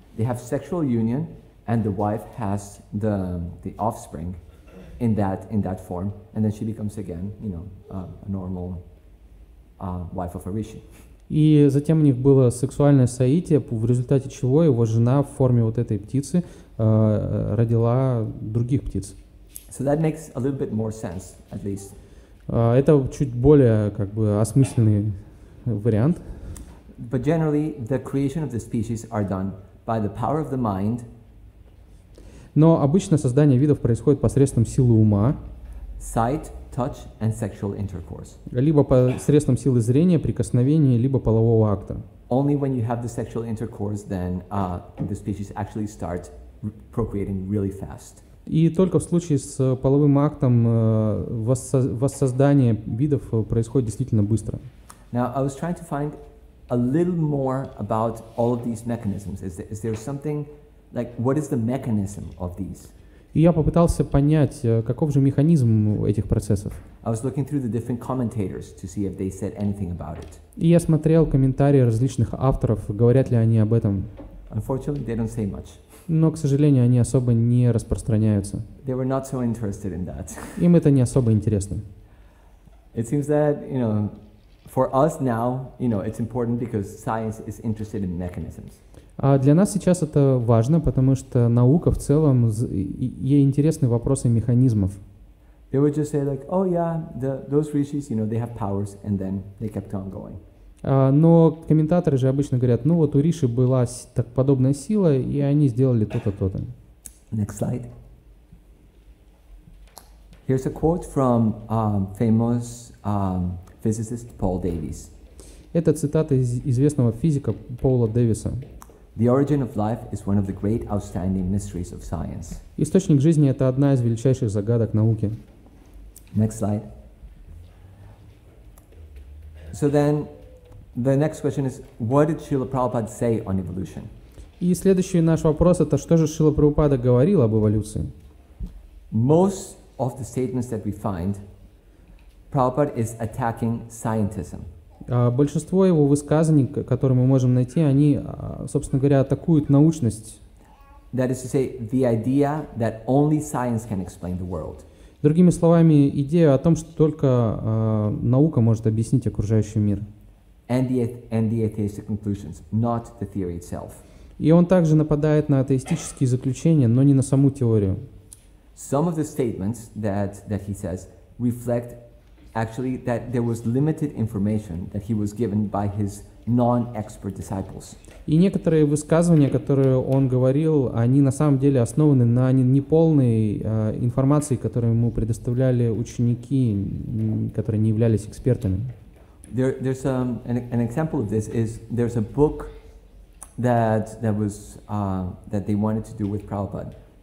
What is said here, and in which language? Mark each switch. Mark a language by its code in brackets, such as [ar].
[en] They have sexual union, and the wife has the offspring in that form, and then she becomes again, you know, a normal wife of a Rishi. [ru] И затем у них было сексуальное соитие, в результате чего его жена в форме вот этой птицы родила других птиц. [en] So that makes a little bit more sense, at least. [ru] Это чуть более как бы осмысленный вариант. [en] But generally, the creation of the species are done by the power of the mind. [ru] Но обычно создание видов происходит посредством силы ума. [en] Sight, touch, and sexual intercourse. [ru] Либо посредством силы зрения, прикосновения, либо полового акта. [en] Only when you have the sexual intercourse, then the species actually start procreating really fast. [ru] И только в случае с половым актом воссоздание видов происходит действительно быстро. [en] Now, I was trying to find a little more about all of these mechanisms. Is there something, like, what is the mechanism of these? [ru] И я попытался понять, каков же механизм этих процессов. [en] I was looking through the different commentators to see if they said anything about it. [ru] И я смотрел комментарии различных авторов, говорят ли они об этом. [en] Unfortunately, they don't say much. [ru] Но, к сожалению, они особо не распространяются. [en] They were not so interested in that. [ru] Им это не особо интересно. [en] It seems that, you know, for us now, you know, it's important because science is interested in mechanisms. [ru] А для нас сейчас это важно, потому что наука в целом ей интересны вопросы механизмов. [en] They would just say like, oh yeah, those rishis, you know, they have powers, and then they kept on going. [ru] Но комментаторы же обычно говорят, ну вот у Риши была так подобная сила, и они сделали то-то, то-то. [en] Next slide. Here's a quote from famous physicist Paul Davies. [ru] Это цитата из известного физика Пола Дэвиса. [en] The origin of life is one of the great outstanding mysteries of science. [ru] Источник жизни — это одна из величайших загадок науки. [en] Next slide. So then, the next question is, what did Srila Prabhupada say on evolution? [ru] И следующий наш вопрос это, что же Шрила Прабхупада говорил об эволюции? [en] Most of the statements that we find, Prabhupada is attacking scientism. [ru] Большинство его высказаний, которые мы можем найти, они, собственно говоря, атакуют научность. [en] That is to say, the idea that only science can explain the world. [ru] Другими словами, идея о том, что только наука может объяснить окружающий мир. [en] And the atheistic conclusions, not the theory itself. [ru] И он также нападает на атеистические заключения, но не на саму теорию. [en] Some of the statements that he says reflect actually that there was limited information that he was given by his non-expert disciples. [ru] И некоторые высказывания, которые он говорил, они на самом деле основаны на неполной информации, которую ему предоставляли ученики, которые не являлись экспертами. [en] There's an example of this is there's a book that they wanted to do with Prabhupada.